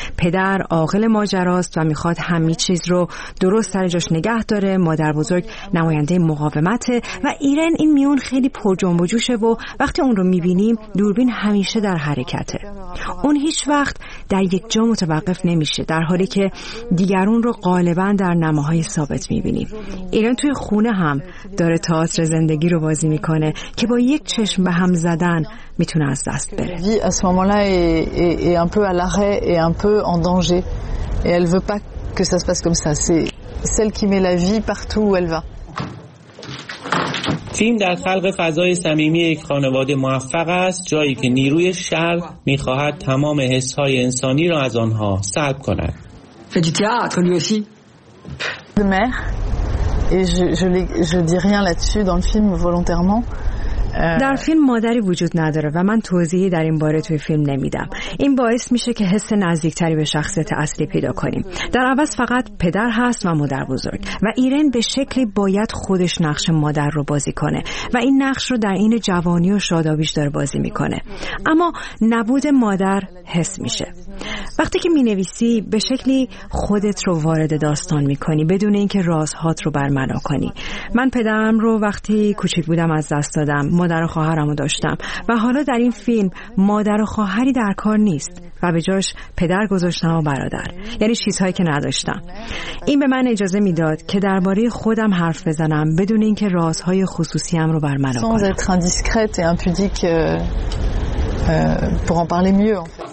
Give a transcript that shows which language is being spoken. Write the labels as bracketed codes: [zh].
[fa] پدر عاقل ماجراست و میخواد همه چیز رو درست سر جاش نگه داره، مادر بزرگ نماینده مقاومته و ایرن این میون خیلی پر جنب و جوشه و وقتی اون رو میبینیم دوربین همیشه در حرکته. اون هیچ وقت در یک جا متوقف نمیشه، در حالی که دیگرون رو غالبا در نماهای ثابت میبینیم. ایرن توی خونه هم داره تئاتر زندگی رو بازی میکنه که با یک چشم به هم زدن میتونه از دست بره. [fr] دی à ce moment-là est un peu à l'arrêt et un peu en danger et elle veut pas que ça se passe comme ça. C'est celle qui met la vie partout où elle va. [fa] فیلم در خلق فضای صمیمی یک خانواده موفق است، جایی که نیروی شر میخواهد تمام حس‌های انسانی را از آنها سلب کند. [fr] Fait du théâtre lui aussi. De mère et je dis rien là-dessus dans le film volontairement. [fa] در فیلم مادری وجود نداره و من توضیحی در این باره توی فیلم نمیدم. این باعث میشه که حس نزدیکتری به شخصیت اصلی پیدا کنیم. در عوض فقط پدر هست و مادر بزرگ و ایرن به شکلی باید خودش نقش مادر رو بازی کنه و این نقش رو در این جوانی و شادابیش داره بازی میکنه. اما نبود مادر حس میشه. وقتی که مینویسی به شکلی خودت رو وارد داستان میکنی بدون اینکه رازهات رو برملا کنی. من پدرم رو وقتی کوچک بودم از دست دادم، مادر و خواهرم رو داشتم و حالا در این فیلم مادر و خواهری در کار نیست و به جاش پدر گذاشتم و برادر، یعنی چیزهایی که نداشتم. این به من اجازه میداد که درباره خودم حرف بزنم بدون اینکه رازهای خصوصیم رو برملا کنم. [fr] Sans être indiscrète et impudique pour en parler mieux.